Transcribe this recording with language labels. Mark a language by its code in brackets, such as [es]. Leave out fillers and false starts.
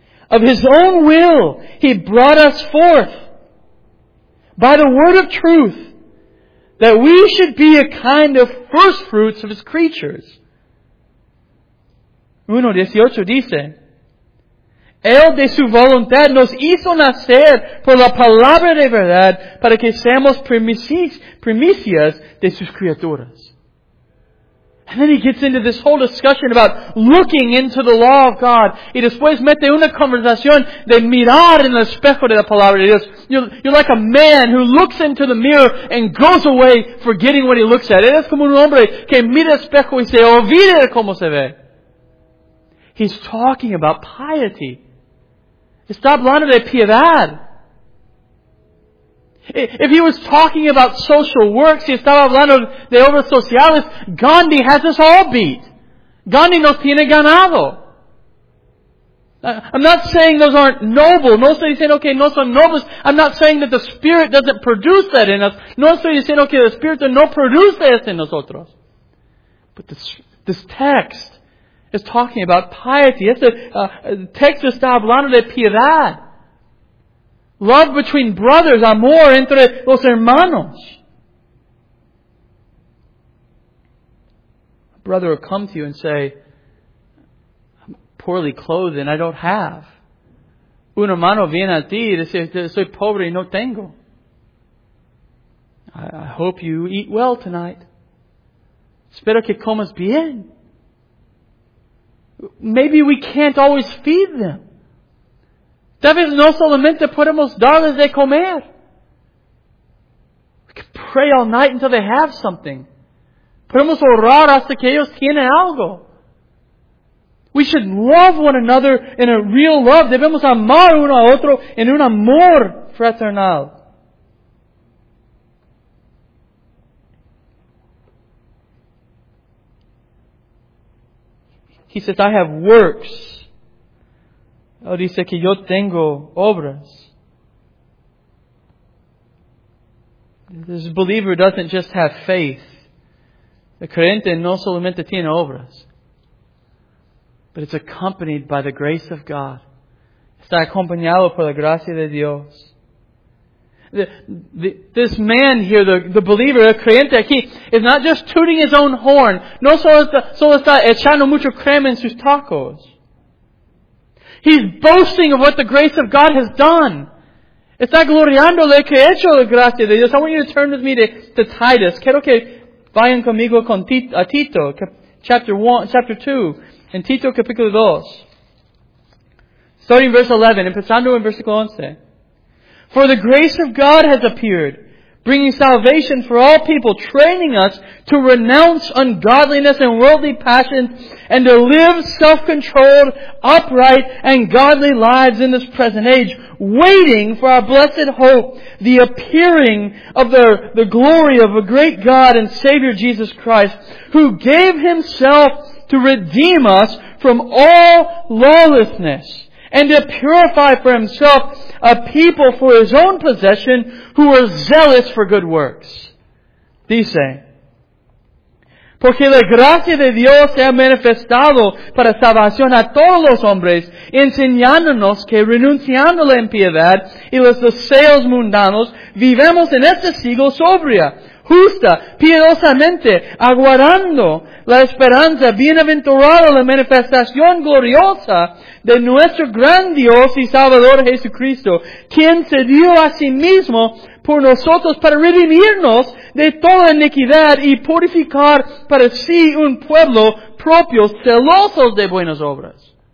[en] Of his own will, he brought us forth by the word of truth that we should be a kind of first fruits of his creatures. [es] 1:18 dice, Él de su voluntad nos hizo nacer por la palabra de verdad para que seamos primicias de sus criaturas. [en] And then he gets into this whole discussion about looking into the law of God. [es] Y después mete una conversación de mirar en el espejo de la palabra de Dios. [en] You're like a man who looks into the mirror and goes away forgetting what he looks at. [es] Eres como un hombre que mira el espejo y se olvida cómo se ve. [en] He's talking about piety. [es] Está hablando de piedad. [en] If he was talking about social works, [es] si estaba hablando de obras sociales, [en] Gandhi has us all beat. Gandhi [es] nos tiene ganado. [en] I'm not saying those aren't noble. [es] No estoy diciendo que no son nobles. [en] I'm not saying that the Spirit doesn't produce that in us. [es] No estoy diciendo que el Espíritu no produce eso en nosotros. [en] But this text is talking about piety. The text [es] está hablando de piedad. [en] Love between brothers, [es] amor entre los hermanos. [en] A brother will come to you and say, I'm poorly clothed and I don't have. [es] Un hermano viene a ti y dice, soy pobre y no tengo. [en] I hope you eat well tonight. [es] Espero que comas bien. [en] Maybe we can't always feed them. [es] Tal vez no solamente podemos darles de comer. [en] We can pray all night until they have something. [es] Podemos orar hasta que ellos tienen algo. [en] We should love one another in a real love. [es] Debemos amar uno a otro en un amor fraternal. [en] He says, I have works. [es] Él dice que yo tengo obras. [en] This believer doesn't just have faith. The creyente [es] no solamente tiene obras. [en] But it's accompanied by the grace of God. [es] Está acompañado por la gracia de Dios. [en] This man here, the believer, the creyente aquí, is not just tooting his own horn. [es] No solo está echando mucho crema en sus tacos. [en] He's boasting of what the grace of God has done. [es] Está gloriándole que ha hecho la gracia de Dios. [en] I want you to turn with me to Titus. [es] Quiero que vayan conmigo con Tito, [en] chapter 1, chapter 2, and [es] Tito, capítulo 2. [en] Starting verse 11, [es] empezando en versículo 11. [en] For the grace of God has appeared, bringing salvation for all people, training us to renounce ungodliness and worldly passions and to live self-controlled, upright, and godly lives in this present age, waiting for our blessed hope, the appearing of the glory of a great God and Savior Jesus Christ, who gave Himself to redeem us from all lawlessness and to purify for Himself a people for His own possession who are zealous for good works. [es] Dice, porque la gracia de Dios se ha manifestado para salvación a todos los hombres, enseñándonos que renunciando a la impiedad y los deseos mundanos, vivamos en este siglo sobria, justa, piedosamente, aguardando la esperanza bienaventurada, la manifestación gloriosa de nuestro gran Dios y Salvador Jesucristo, quien se dio a sí mismo por nosotros para redimirnos de toda iniquidad y purificar para sí un pueblo propio, celosos de buenas obras.